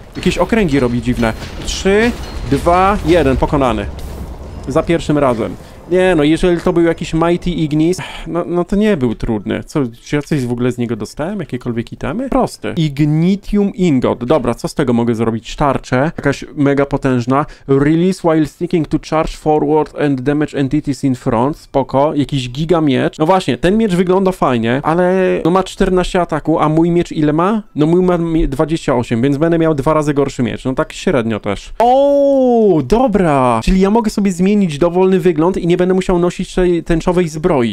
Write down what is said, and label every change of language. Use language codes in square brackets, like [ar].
[pl] Jakieś okręgi robi dziwne. 3, 2, 1. Pokonany. Za pierwszym razem. Nie no, jeżeli to był jakiś Mighty Ignis, no to nie był trudny. Co, czy ja coś w ogóle z niego dostałem? Jakiekolwiek itemy? Proste. Ignitium Ingot. Dobra, co z tego mogę zrobić? Tarczę. Jakaś mega potężna. [en] Release while seeking to charge forward and damage entities in front. [pl] Spoko. Jakiś giga miecz. No właśnie, ten miecz wygląda fajnie, ale no ma 14 ataku, a mój miecz ile ma? No mój ma 28, więc będę miał dwa razy gorszy miecz. No tak średnio też. O, dobra. Czyli ja mogę sobie zmienić dowolny wygląd i nie będę musiał nosić tej tęczowej zbroi.